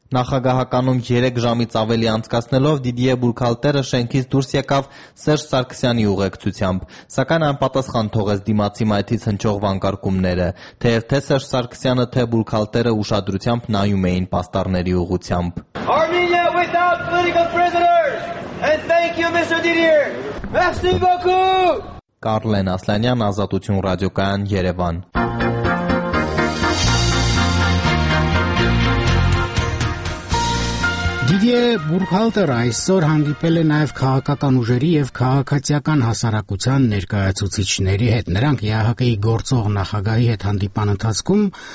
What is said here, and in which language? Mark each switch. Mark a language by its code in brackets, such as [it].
[hy] Նախագահականում 3 ժամից ավելի անցկացնելով Դիդիե Բուրքալտերը շենքից դուրս եկավ Սերժ Սարգսյանի ուղեկցությամբ, սակայն անպատասխան թողեց դիմացի մայթից հնչող վանկարկումները, թեև թե Սերժ Սարգսյանը, թե Բուրքալտերը ուշադրությամբ նայում էին պաստառների ուղղությամբ։ [en] Armenia without political prisoners. And thank you Mr. Didier. [fr] Merci beaucoup. [hy] Կարլեն Ասլանյան, Ազատություն ռադիոկայան, Երևան։ Դ Դիդիե Բուրքհալտերը այսօր հանդիպել է նաև քաղաքական ուժերի և քաղաքացիական հասարակության ներկայացուցիչների հետ։ Նրանք ԵԱՀԿ-ի գործող նախագահի հետ հանդիպան ընթացքում